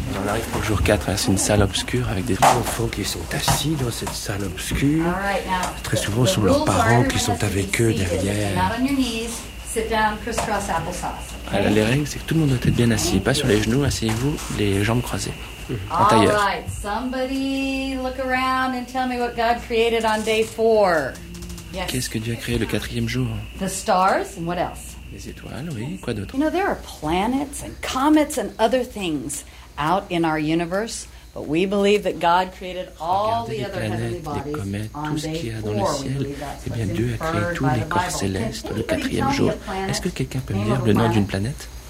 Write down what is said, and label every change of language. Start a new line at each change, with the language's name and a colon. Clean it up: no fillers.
French: On arrive pour le jour 4, hein. C'est une salle obscure avec des enfants qui sont assis dans cette salle obscure.
English: Right, now,
French: très souvent, ce sont leurs parents qui sont avec eux derrière. Alors, les règles, c'est que tout le monde doit être bien assis, pas sur les genoux, asseyez-vous, les jambes croisées. Mm-hmm. En tailleur.
English: All right, somebody look around and tell me what God created on day 4. Yes.
French: Qu'est-ce que Dieu a créé le quatrième jour?
English: The stars and what else?
French: Les étoiles, oui, quoi d'autre?
English: You know, there are planets and comets and other things out in our universe, but we believe that God created all the other
French: planètes,
English: heavenly bodies
French: les comets, tout ce qu'il y a dans le ciel. Eh bien, Dieu a créé tous les corps célestes le quatrième jour. Est-ce que quelqu'un peut me dire le nom d'une planète?